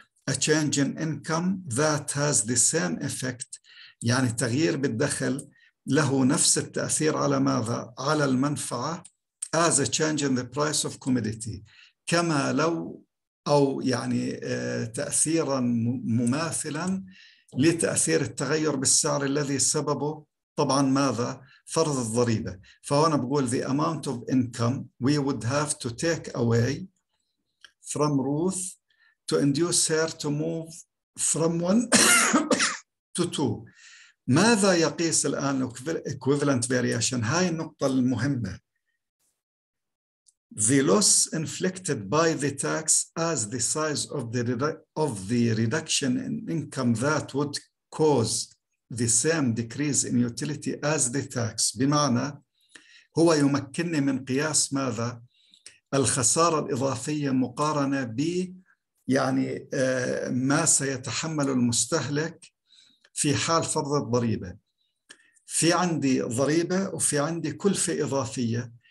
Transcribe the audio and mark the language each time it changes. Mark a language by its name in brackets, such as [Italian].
[English] A change in income that has the same effect، [Arabic] يعني تغيير بالدخل له نفس التأثير على ماذا؟ على المنفعة. [English] As a change in the price of commodity، [Arabic] كما لو أو يعني تأثيرا مماثلا لتأثير التغير بالسعر الذي سببه طبعا ماذا؟ فرض الضريبة. فهنا بقول [English] the amount of income we would have to take away from Ruth to induce her to move from one to two. [Arabic] ماذا يقيس الآن equivalent variation؟ هاي النقطة المهمة. [English] The loss inflicted by the tax as the size of the reduction in income that would cause the same decrease in utility as the tax. [Arabic] بمعنى هو يمكنني من قياس ماذا؟ الخسارة الإضافية مقارنة ب يعني ما سيتحمل المستهلك في حال فرض الضريبة. في عندي ضريبة وفي عندي كلفة إضافية.